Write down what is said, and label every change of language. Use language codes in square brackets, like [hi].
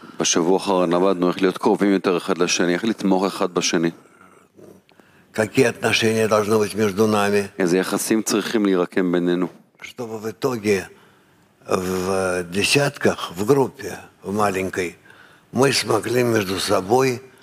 [he] בשבוע האחרון למדנו איך להיות קרובים יותר אחד לשני, איך לתמוך אחד בשני. [ru] Какие отношения должны быть между нами? [he] איזה יחסים צריכים להירקם בינינו? [ru] Чтобы в итоге в десятках, в группе, в маленькой, мы смогли между собой